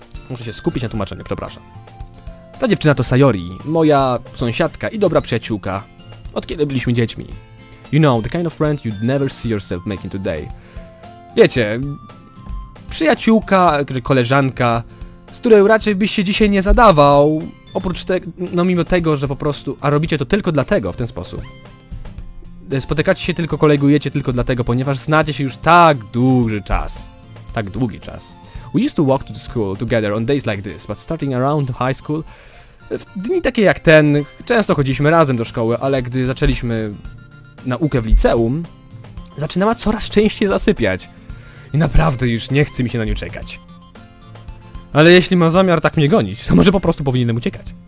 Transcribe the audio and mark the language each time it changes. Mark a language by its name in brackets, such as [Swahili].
[Polish] Muszę się skupić na tłumaczeniu, przepraszam. Ta dziewczyna to Sayori, moja sąsiadka i dobra przyjaciółka, od kiedy byliśmy dziećmi. [English] You know, the kind of friend you'd never see yourself making today. [Polish] Wiecie, przyjaciółka, koleżanka, z której raczej byś się dzisiaj nie zadawał, oprócz mimo tego, że po prostu, a robicie to tylko dlatego, w ten sposób. Spotykacie się tylko, kolegujecie tylko dlatego, ponieważ znacie się już tak duży czas. Tak długi czas. [English] We used to walk to the school together on days like this, but starting around high school... [Polish] W dni takie jak ten, często chodziliśmy razem do szkoły, ale gdy zaczęliśmy naukę w liceum, zaczynała coraz częściej zasypiać. I naprawdę już nie chce mi się na nią czekać. Ale jeśli ma zamiar tak mnie gonić, to może po prostu powinienem uciekać.